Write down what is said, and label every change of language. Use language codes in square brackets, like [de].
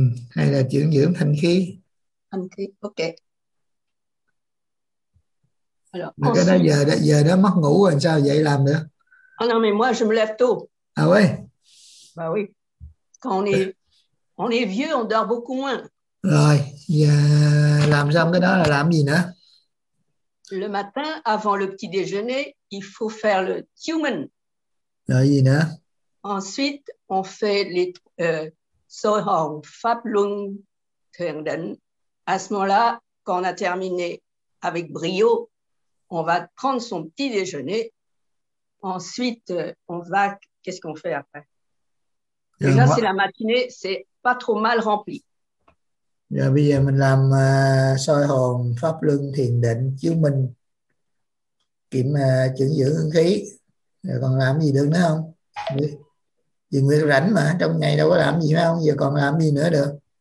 [vi] Hay là dưỡng dưỡng thanh khí. Thanh khí, ok. Alors, cái đó giờ đó mất ngủ rồi sao vậy làm được? [fr] Ah non, mais moi je me lève tôt. Ah ouais? Bah oui. Quand on est vieux, on dort beaucoup moins. [vi] Rồi, giờ làm xong cái đó là làm gì nữa? [fr] Le matin, avant le petit déjeuner, il faut faire le tumen. [vi] Rồi gì nữa? [fr] Ensuite, on fait les soi hong pháp luân thiền định. À ce moment-là, quand on a terminé avec brio, on va prendre son petit déjeuner. Ensuite, on va. Qu'est-ce qu'on fait après? Déjà, yeah, c'est la matinée, c'est pas trop mal rempli. [vi] Rồi bây giờ mình làm soi hồn, pháp luân, thiền định, chiếu minh, kiểm chứng dưỡng hương khí. Rồi còn làm gì được nữa không? Vì Nguyệt rảnh mà, trong ngày đâu có làm gì phải không? Giờ còn làm gì nữa được?